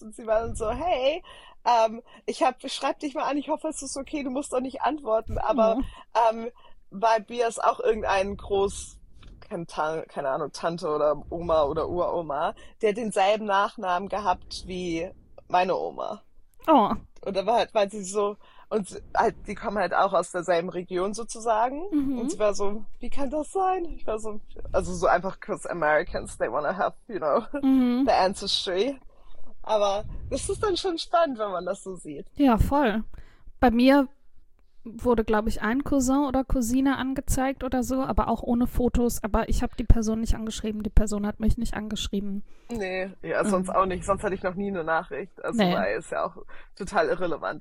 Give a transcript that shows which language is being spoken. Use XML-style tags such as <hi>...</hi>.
<de>Und sie waren so, hey, schreib dich mal an, ich hoffe, es ist okay, du musst doch nicht antworten, aber weil wir es auch irgendeinen keine Ahnung, Tante oder Oma oder Uroma, der denselben Nachnamen gehabt wie meine Oma. Oh. Und da war halt, weil sie so, und halt, die kommen halt auch aus derselben Region sozusagen. Und sie war so, wie kann das sein? Ich war so, also so einfach,</de> <en>because Americans, they want to have, you know, the ancestry.</en> <de>Aber das ist dann schon spannend, wenn man das so sieht. Ja, voll. Bei mir wurde, glaube ich, ein Cousin oder Cousine angezeigt oder so, aber auch ohne Fotos. Aber ich habe die Person nicht angeschrieben. Die Person hat mich nicht angeschrieben. Nee, ja, sonst auch nicht. Sonst hatte ich noch nie eine Nachricht. Also, weil ist ja auch total irrelevant.</de>